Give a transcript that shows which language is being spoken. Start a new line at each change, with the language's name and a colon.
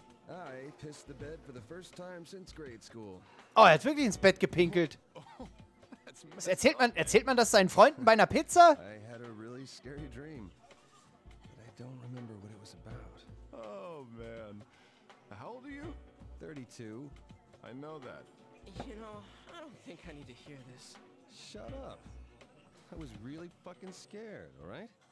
English: I pissed the bed for the first time since grade school.
German: Oh, er hat wirklich ins Bett gepinkelt. Was erzählt man das seinen Freunden bei einer Pizza?
English: I had a really scary dream, but I don't remember what it was about. Oh man. How old are you? 32. I know that. You know, I don't think I need to hear this. Shut up. I was really fucking scared, all right?